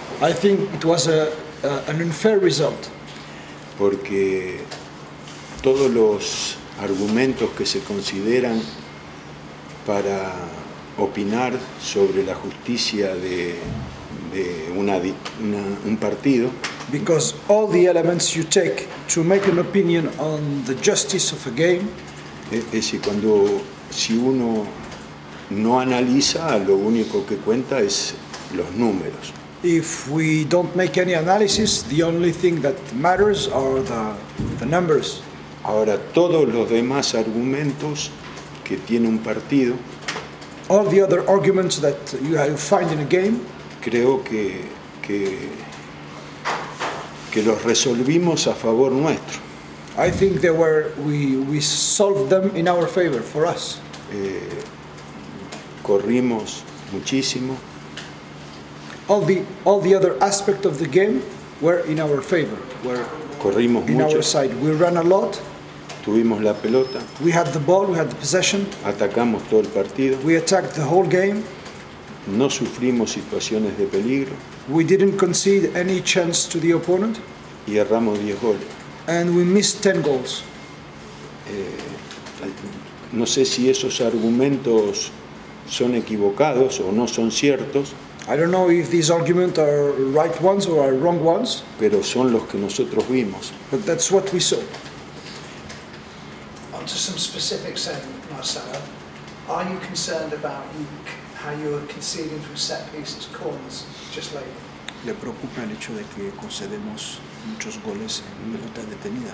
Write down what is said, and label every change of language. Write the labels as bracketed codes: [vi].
[en] I think it was an unfair result. [es] Porque todos los argumentos que se consideran para opinar sobre la justicia de un partido. [en] Because all the elements you take to make an opinion on the justice of a game. [es] Es decir, cuando si uno no analiza, lo único que cuenta es los números. [en] If we don't make any analysis, the only thing that matters are the numbers. [es] Ahora todos los demás argumentos que tiene un partido. [en] All the other arguments that you find in a game. [es] Creo que los resolvimos a favor nuestro. [en] I think they were we solved them in our favor, for us. [es] Corrimos muchísimo. [en] All the other aspects of the game were in our favor. [es] Corrimos [en] in [es] mucho. [en] Our side. We ran a lot. [es] Tuvimos la pelota. [en] We had the ball, we had the possession. [es] Atacamos todo el partido. [en] We attacked the whole game. [es] No sufrimos situaciones de peligro. [en] We didn't concede any chance to the opponent. [es] Y erramos 10 goles. [en] And we missed 10 goals. [es] No sé si esos argumentos son equivocados o no son ciertos. [en] I don't know if these arguments are right ones or are wrong ones. [es] Pero son los que nosotros vimos. [en] But that's what we saw. On to some specifics then, Marcelo. Are you concerned about how you are conceding from set pieces, corners, just lately? [es] ¿Le preocupa el hecho de que concedemos muchos goles en pelota detenida?